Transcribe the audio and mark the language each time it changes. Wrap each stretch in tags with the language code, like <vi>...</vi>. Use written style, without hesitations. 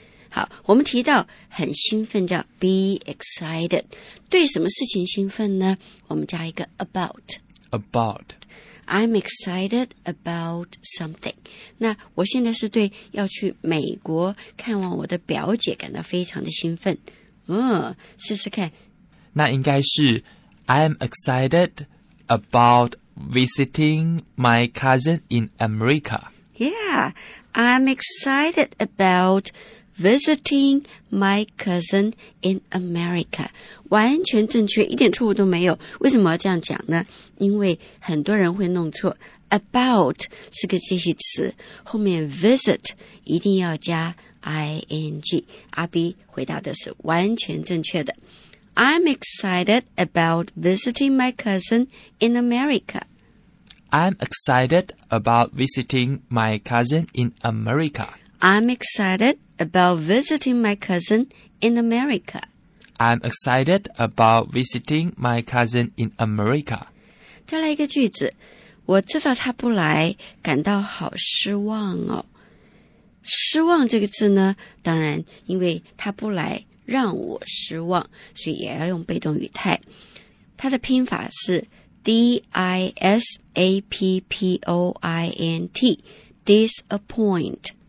<zh>好，我们提到很兴奋叫 be excited， 对什么事情兴奋呢？我们加一个 about。</zh> <en>About。 I'm excited about something.</en> <zh>那我现在是对要去美国看望我的表姐感到非常的兴奋。嗯，试试看。那应该是</zh> <en>I'm excited about visiting my cousin in America. Yeah, I'm excited about visiting my cousin in America.</en> <zh>完全正确，一点错误都没有。为什么要这样讲呢？因为很多人会弄错， about 是个介系词，后面 visit 一定要加 ing。阿 B 回答的是完全正确的。</zh> <en>I'm excited about visiting my cousin in America. I'm excited about visiting my cousin in America. I'm excitedabout visiting my cousin in America. I'm excited about visiting my cousin in America.</en> <zh>再来一个句子，我知道他不来，感到好失望哦。失望这个字呢，当然因为他不来让我失望，所以也要用被动语态。它的拼法是 D-I-S-A-P-P-O-I-N-T, disappoint.</zh>